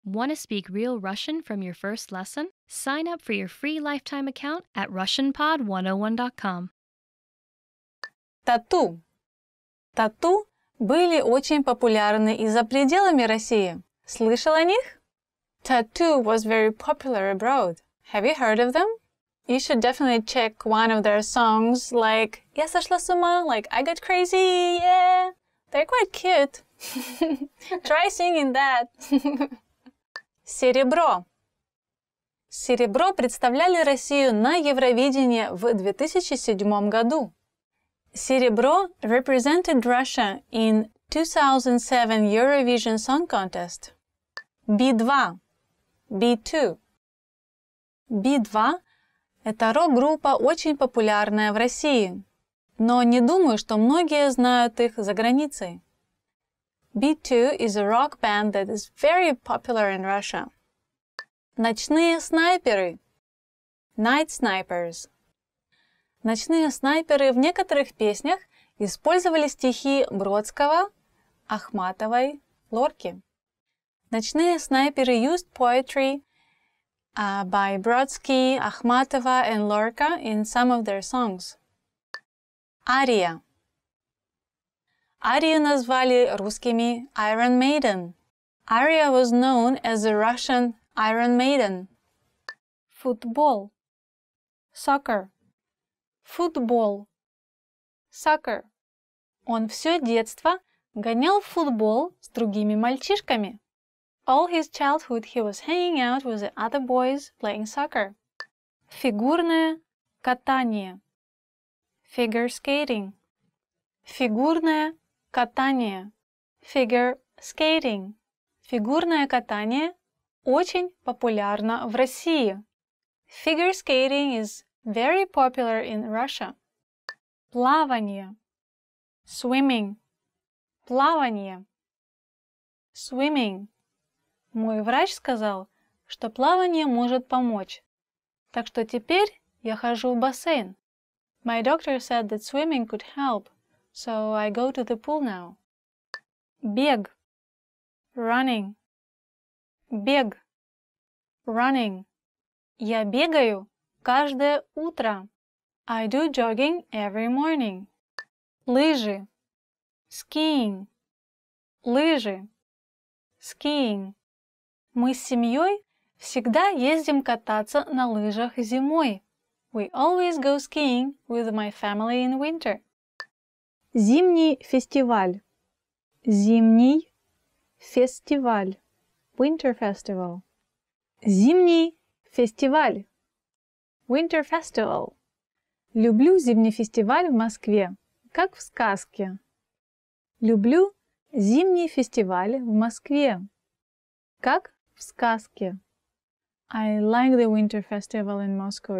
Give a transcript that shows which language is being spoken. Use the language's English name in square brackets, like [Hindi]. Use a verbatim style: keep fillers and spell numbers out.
[English] Want to speak real Russian from your first lesson? Sign up for your free lifetime account at russian pod one oh one dot com. [Russian] Тату. Тату были очень популярны и за пределами России. Слышал о них? [English] Tattoo was very popular abroad. Have you heard of them? You should definitely check one of their songs, like [Russian] Я сошла с ума, [English] like I got crazy, yeah. They're quite cute. Try singing that. Серебро. [Russian] Серебро представляли Россию на Евровидении в две тысячи седьмом году. [English] Серебро represented Russia in two thousand seven Eurovision Song Contest. [Russian] би два. би два. би два – это рок-группа, очень популярная в России, но не думаю, что многие знают их за границей. [English] би два is a rock band that is very popular in Russia. [Russian] Ночные снайперы. [English] Night snipers. [Russian] Ночные снайперы в некоторых песнях использовали стихи Бродского, Ахматовой, Лорки. [English] Ночные снайперы used poetry uh, by Brodsky, Akhmatova, and Lorca in some of their songs. [Russian] Ария. Арию назвали русскими Iron Maiden. [English] Aria was known as the Russian Iron Maiden. [Russian] Футбол. [English] Soccer. [Russian] Футбол. Soccer. Он все детство гонял в футбол с другими мальчишками. [English] All his childhood he was hanging out with the other boys playing soccer. [Russian] Фигурное катание. [English] Figure skating. [Russian] Фигурное катание. [English] Figure skating. [Russian] Фигурное катание очень популярно в России. [English] Figure skating is very popular in Russia. [Russian] Плавание. [English] Swimming. [Russian] Плавание. Swimming. Мой врач сказал, что плавание может помочь. Так что теперь я хожу в бассейн. [English] My doctor said that swimming could help, so I go to the pool now. [Russian] Бег. [English] Running. [Russian] Бег. Running. Я бегаю каждое утро. [English] I do jogging every morning. [Russian] Лыжи. [English] Skiing. [Russian] Лыжи. Skiing. Мы с семьей всегда ездим кататься на лыжах зимой. [English] We always go skiing with my family in winter. [Russian] Зимний фестиваль. Зимний фестиваль. [English] Winter festival. [Russian] Зимний фестиваль. [English] Winter festival. [Russian] Люблю зимний фестиваль в Москве, как в сказке. Люблю зимний фестиваль в Москве, как в сказке. [English] I like the winter festival in Moscow.